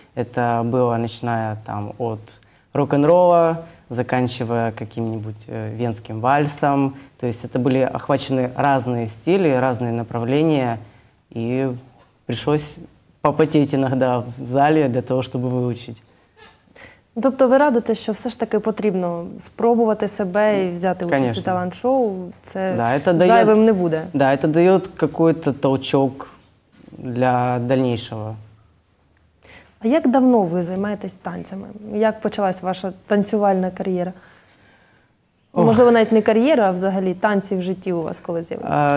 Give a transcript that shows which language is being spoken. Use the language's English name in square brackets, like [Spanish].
[Russian] Это было начиная там от рок-н-ролла, заканчивая каким-нибудь венским вальсом. То есть это были охвачены разные стили, разные направления, и пришлось попотеть иногда в зале для того, чтобы выучить. [Ukrainian] Тобто ви радите, що все ж таки потрібно спробувати себе і взяти участь у талант-шоу? Це, [Russian] да, [Ukrainian] это зайвим дает, не буде. [Russian] Да, это дає какой-то толчок для дальнейшего. [Ukrainian] А як давно ви займаєтесь танцями? Як почалась ваша танцювальна кар'єра? Можливо, навіть не кар'єра, а взагалі танці в житті у вас коли з'явилися?